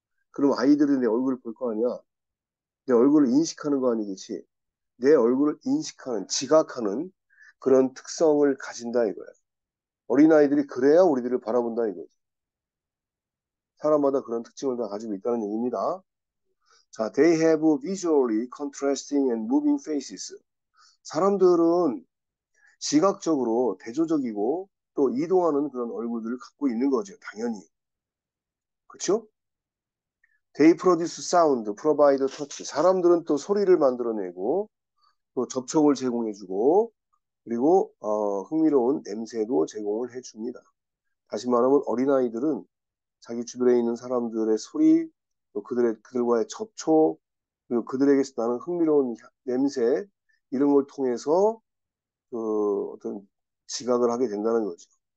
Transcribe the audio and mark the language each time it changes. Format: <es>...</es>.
<ko>그럼 아이들이 내 얼굴을 볼거 아니야. 내 얼굴을 인식하는 거 아니겠지. 내 얼굴을 인식하는, 지각하는 그런 특성을 가진다 이거야. 어린아이들이 그래야 우리들을 바라본다 이거지. 사람마다 그런 특징을 다 가지고 있다는 얘기입니다.</ko> <en>자, they have visually contrasting and moving faces.</en> <ko>사람들은 지각적으로 대조적이고 또 이동하는 그런 얼굴들을 갖고 있는 거죠, 당연히. 그렇죠?</ko> <en>They produce sound, provide touch.</en> <ko>사람들은 또 소리를 만들어내고 또 접촉을 제공해주고 그리고 흥미로운 냄새도 제공을 해줍니다. 다시 말하면 어린아이들은 자기 주변에 있는 사람들의 소리, 또 그들과의 접촉, 그리고 그들에게서 나는 흥미로운 냄새, 이런 걸 통해서 어떤 지각을 하게 된다는 거죠.</ko>